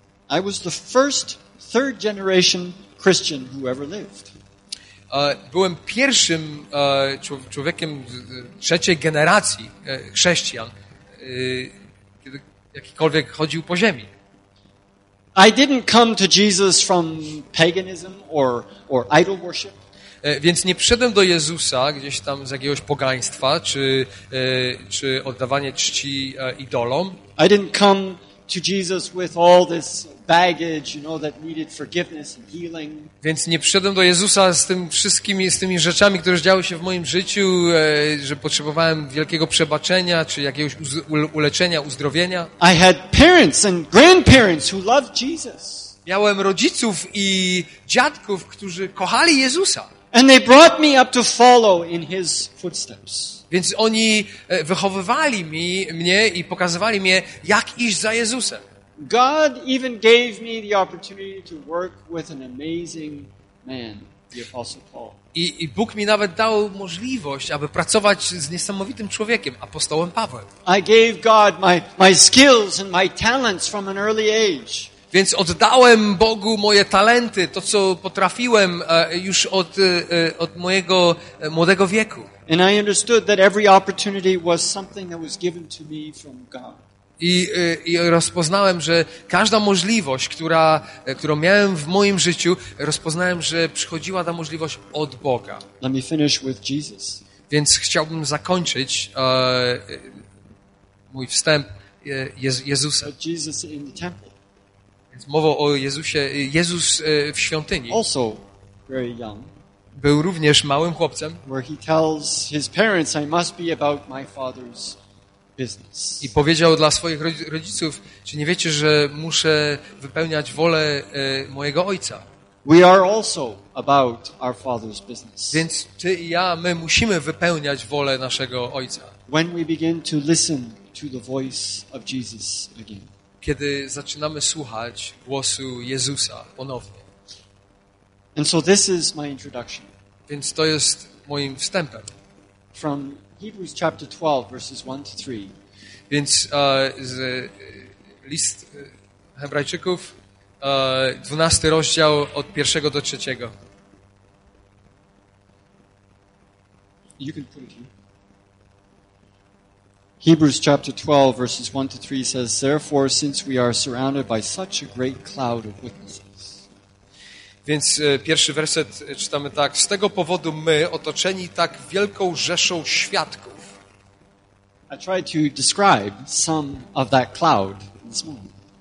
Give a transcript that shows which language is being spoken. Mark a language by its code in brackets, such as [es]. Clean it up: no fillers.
[en] I was the first third generation Christian who ever lived. [pl] Byłem pierwszym człowiekiem trzeciej generacji chrześcijan, kiedy jakikolwiek chodził po ziemi. [en] I didn't come to Jesus from paganism or idol worship. [pl] Więc nie przyszedłem do Jezusa gdzieś tam z jakiegoś pogaństwa czy oddawanie czci idolom. [en] I didn't come to Jesus with all this baggage, you know, that needed forgiveness and healing. [pl] Więc nie przyszedłem do Jezusa z tym wszystkimi, z tymi rzeczami, które działy się w moim życiu, że potrzebowałem wielkiego przebaczenia czy jakiegoś uleczenia, uzdrowienia. [en] I had parents and grandparents who loved Jesus. [pl] Miałem rodziców i dziadków, którzy kochali Jezusa. [en] And they brought me up to follow in his footsteps. [pl] Więc oni wychowywali mnie i pokazywali mnie, jak iść za Jezusem. [en] God even gave me the opportunity to work with an amazing man, the Apostle Paul. [pl] I Bóg mi nawet dał możliwość, aby pracować z niesamowitym człowiekiem, apostołem Pawłem. [en] I gave God my skills and my talents from an early age. [pl] Więc oddałem Bogu moje talenty, to co potrafiłem już od mojego młodego wieku. [en] And I understood that every opportunity was something that was given to me from God. [pl] I rozpoznałem, że każda możliwość, którą miałem w moim życiu, rozpoznałem, że przychodziła ta możliwość od Boga. [en] Let me finish with Jesus. [pl] Więc chciałbym zakończyć mój wstęp Jezusem. [en] But Jesus in the temple. [pl] Więc mowa o Jezusie. Jezus w świątyni. [en] Also very young. [pl] Był również małym chłopcem. [en] Where he tells his parents, I must be about my father's business. [pl] I powiedział dla swoich rodziców, czy nie wiecie, że muszę wypełniać wolę mojego ojca. [en] We are also about our father's business. [pl] Więc ty i ja, my musimy wypełniać wolę naszego ojca. [en] When we begin to listen to the voice of Jesus again. [pl] Kiedy zaczynamy słuchać głosu Jezusa ponownie. [en] And so this is my introduction. [pl] Więc to jest moim wstępem. [en] From Hebrews chapter 12, verses 1 to 3. [pl] Więc z list Hebrajczyków, 12 rozdział od 1 do 3. [en] You can put it here. Hebrews chapter 12, verses 1 to 3 says, therefore, since we are surrounded by such a great cloud of witnesses. [pl] Więc pierwszy werset czytamy tak. Z tego powodu my, otoczeni tak wielką rzeszą świadków. [en] I tried to describe some of that cloud this morning.